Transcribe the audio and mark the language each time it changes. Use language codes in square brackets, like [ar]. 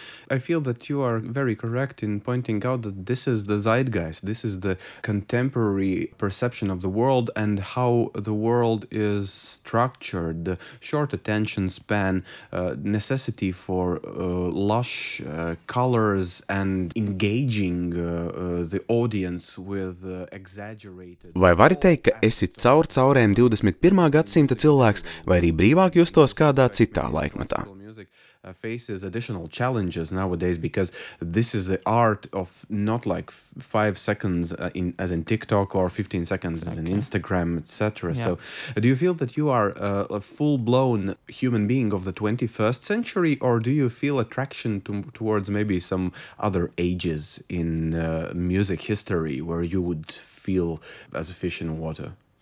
[en] I feel that you are very correct in pointing out that this is the zeitgeist, this is the contemporary perception of the world and how the world is structured, the short attention span, necessity for lush colors and engaging the audience with exaggerated... [lv] Vai vari teikt, ka esi caur caurēm 21. Gadsimta cilvēks, vai arī brīvāk justos kādā citā laikmatā? [en] Faces additional challenges nowadays because this is the art of not like 5 seconds in as in TikTok or 15 seconds as in Instagram, etc. Yeah. So do you feel that you are a full-blown human being of the 21st century or do you feel attraction towards maybe some other ages in music history where you would feel as a fish in water?